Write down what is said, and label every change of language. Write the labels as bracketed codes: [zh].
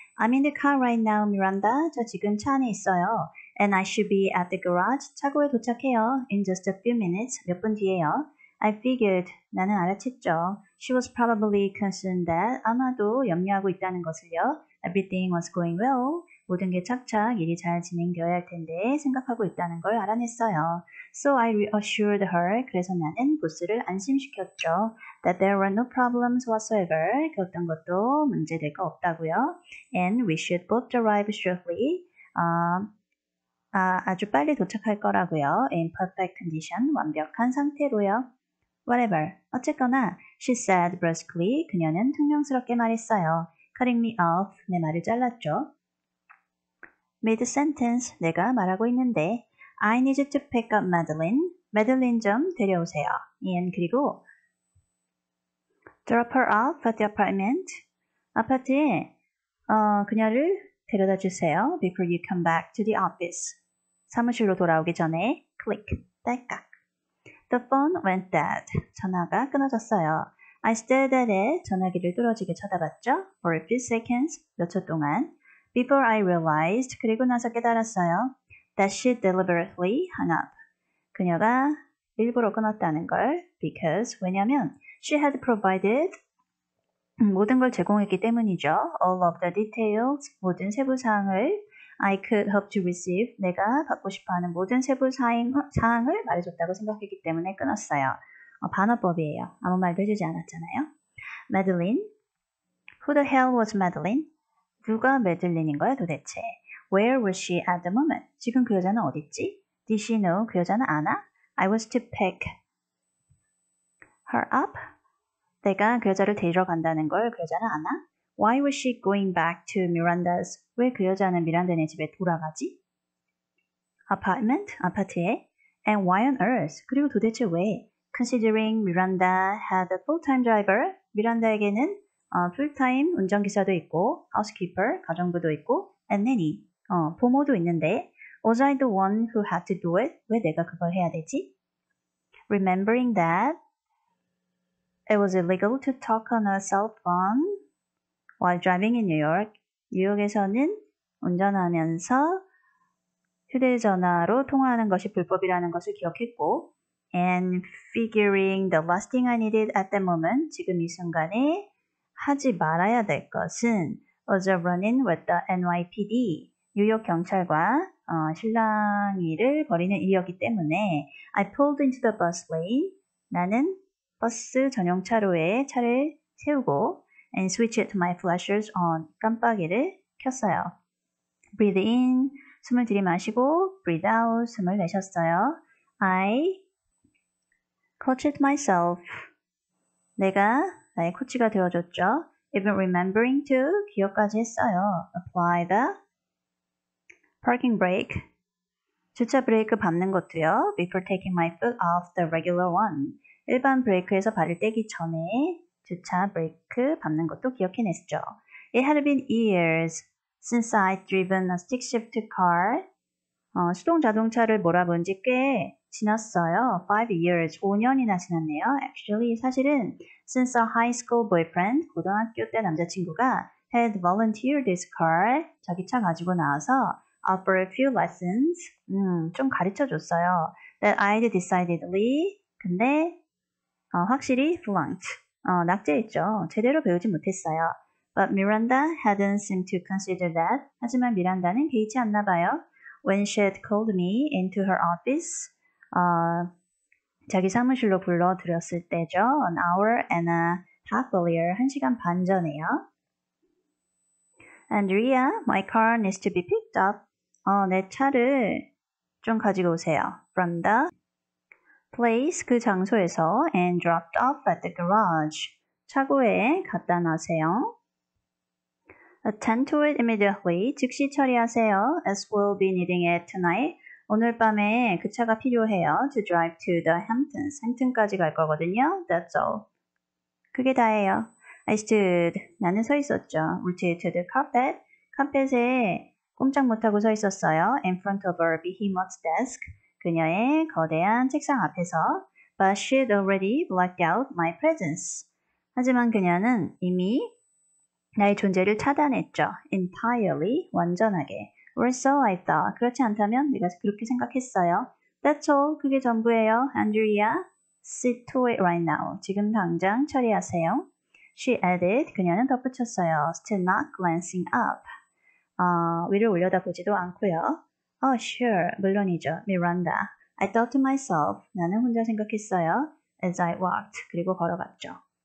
[en] I'm in the car right now, Miranda. [ko] 저 지금 차 안에 있어요. [en] And I should be at the garage. [ko] 차고에 도착해요. [en] In just a few minutes. [ko] 몇 분 뒤에요. [en] I figured. [ko] 나는 알아챘죠. [en] She was probably concerned that [ko] 아마도 염려하고 있다는 것을요. [en] Everything was going well. [ko] 모든 게 착착 일이 잘 진행되어야 할 텐데 생각하고 있다는 걸 알아냈어요. [en] So I reassured her. [ko] 그래서 나는 부스를 안심시켰죠. [en] That there were no problems whatsoever. [ko] 그 어떤 것도 문제될 거 없다고요. [en] And we should both arrive shortly. [ko] 아주 빨리 도착할 거라고요. [en] In perfect condition. [ko] 완벽한 상태로요. [en] Whatever. [ko] 어쨌거나, [en] she said brusquely. [ko] 그녀는 퉁명스럽게 말했어요. [en] Cutting me off. [ko] 내 말을 잘랐죠. [en] Mid sentence, [ko] 내가 말하고 있는데, [en] I need to pick up Madeline. [ko] Madeline 좀 데려오세요. [en] And [ko] 그리고, [en] drop her off at the apartment. [ko] 아파트에, 그녀를 데려다 주세요. [en] Before you come back to the office. [ko] 사무실로 돌아오기 전에, [en] click, [ko] 딸깍. [en] The phone went dead. [ko] 전화가 끊어졌어요. [en] I stared at it. [ko] 전화기를 뚫어지게 쳐다봤죠. [en] For a few seconds, [ko] 몇초 동안. [en] Before I realized, [ko] 그리고 나서 깨달았어요. [en] That she deliberately hung up. [ko] 그녀가 일부러 끊었다는 걸. [en] Because, [ko] 왜냐면, [en] she had provided [ko] 모든 걸 제공했기 때문이죠. [en] All of the details, [ko] 모든 세부 사항을 [en] I could hope to receive, [ko] 내가 받고 싶어하는 모든 세부 사항을 말해줬다고 생각했기 때문에 끊었어요. 반어법이에요. 아무 말도 해주지 않았잖아요. [en] Madeline. Who the hell was Madeline? [ko] 누가 메들린인 거야 도대체? [en] Where was she at the moment? [ko] 지금 그 여자는 어딨지? [en] Did she know? [ko] 그 여자는 아나? [en] I was to pick her up? [ko] 내가 그 여자를 데리러 간다는 걸그 여자는 아나? [en] Why was she going back to Miranda's? [ko] 왜그 여자는 미란다네 집에 돌아가지? [en] Apartment? [ko] 아파트에? [en] And why on earth? [ko] 그리고 도대체 왜? [en] Considering Miranda had a full-time driver? [ko] 미란다에게는 풀타임 운전기사도 있고, [en] housekeeper, [ko] 가정부도 있고, [en] and nanny, [ko] 보모도 있는데, [en] was I the one who had to do it? [ko] 왜 내가 그걸 해야 되지? [en] Remembering that it was illegal to talk on a cell phone while driving in New York. [ko] 뉴욕에서는 운전하면서 휴대전화로 통화하는 것이 불법이라는 것을 기억했고, [en] and figuring the last thing I needed at the moment, [ko] 지금 이 순간에 하지 말아야 될 것은 [en] was a run-in with the NYPD, [ko] 뉴욕 경찰과 실랑이를 벌이는 일이었기 때문에 [en] I pulled into the bus lane. [ko] 나는 버스 전용 차로에 차를 세우고 [en] and switched my flashers on. [ko] 깜빡이를 켰어요. [en] Breathe in, [ko] 숨을 들이마시고 [en] breathe out, [ko] 숨을 내쉬었어요. [en] I coached myself. [ko] 내가 나의 코치가 되어줬죠. [en] Even remembering to [ko] 기억까지 했어요. [en] Apply the parking brake. [ko] 주차 브레이크 밟는 것도요. [en] Before taking my foot off the regular one. [ko] 일반 브레이크에서 발을 떼기 전에 주차 브레이크 밟는 것도 기억해냈죠. [en] It had been years since I'd driven a stick shift car. [ko] 수동 자동차를 몰아본 지꽤 지났어요. [en] 5 years. [ko] 5년이나 지났네요. [en] Actually, [ko] 사실은 [en] Since a high school boyfriend, [ko] 고등학교 때 남자친구가 [en] had volunteered this car, [ko] 자기 차 가지고 나와서 [en] offered a few lessons, [ko] 좀 가르쳐 줬어요. [en] That I'd decidedly, [ko] 근데 확실히 [en] flunked, [ko] 낙제했죠. 제대로 배우지 못했어요. [en] But Miranda hadn't seemed to consider that. [ko] 하지만 미란다는 개의치 않나 봐요. [en] When she had called me into her office, [ko] 자기 사무실로 불러들였을 때죠. [en] An hour and a half earlier. [ko] 한 시간 반 전에요. [en] Andrea, my car needs to be picked up. [ko] 내 차를 좀 가지고 오세요. [en] From the place, [ko] 그 장소에서 [en] and dropped off at the garage. [ko] 차고에 갖다 놔세요. [en] Attend to it immediately. [ko] 즉시 처리하세요. [en] As we'll be needing it tonight. [ko] 오늘 밤에 그 차가 필요해요. [en] To drive to the Hamptons. [ko] 햄튼까지 갈 거거든요. [en] That's all. [ko] 그게 다예요. [en] I stood. [ko] 나는 서 있었죠. [en] Rooted to the carpet. [ko] 카펫에 꼼짝 못하고 서 있었어요. [en] In front of her behemoth desk. [ko] 그녀의 거대한 책상 앞에서. [en] But she had already blocked out my presence. [ko] 하지만 그녀는 이미 나의 존재를 차단했죠. [en] Entirely, [ko] 완전하게. [en] Or so I thought. [ko] 그렇지 않다면 내가 그렇게 생각했어요. [en] That's all. [ko] 그게 전부예요. [en] Andrea, see to it right now. [ko] 지금 당장 처리하세요. [en] She added. [ko] 그녀는 덧붙였어요. [en] Still not glancing up. [ko] 위를 올려다보지도 않고요. [en] Oh, sure. [ko] 물론이죠. [en] Miranda. I thought to myself. [ko] 나는 혼자 생각했어요. [en] As I walked. [ko] 그리고 걸어갔죠.